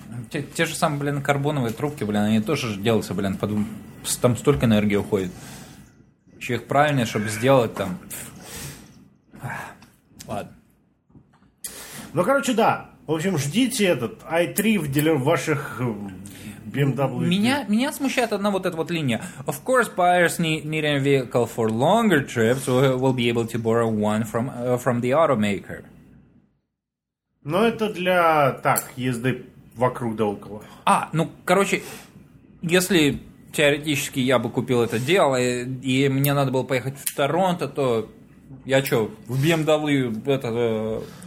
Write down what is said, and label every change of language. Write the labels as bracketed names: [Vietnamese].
[Russian] Те же самые, блин, карбоновые трубки, блин, они тоже делаются, блин, там столько энергии уходит. Еще их правильнее, чтобы сделать там... Ладно. Ну, короче, да. В общем, ждите этот i3 в дилер ваших BMW. Меня смущает одна вот эта вот линия. [English] Of course, buyers needing a vehicle for longer trips will be able to borrow one from the automaker. [Russian] Ну, это для, так, езды вокруг да около. А, ну, короче, если теоретически я бы купил это дело, и мне надо было поехать в Торонто, то я что, в BMW это...